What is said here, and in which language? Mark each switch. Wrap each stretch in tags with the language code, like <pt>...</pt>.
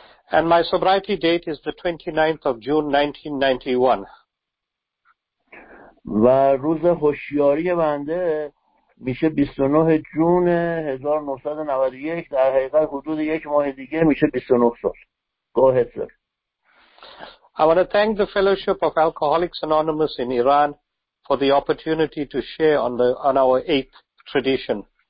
<en>And my sobriety date is the 29th of June 1991.</en> <fa>و روز هوشیاری بنده میشه 29 جون 1991، در حقیقت حدود یک ماه دیگه میشه 29 سال.</fa> <en>Go ahead, sir. I want to thank the Fellowship of Alcoholics Anonymous in Iran for the opportunity to share on our eighth tradition.</en>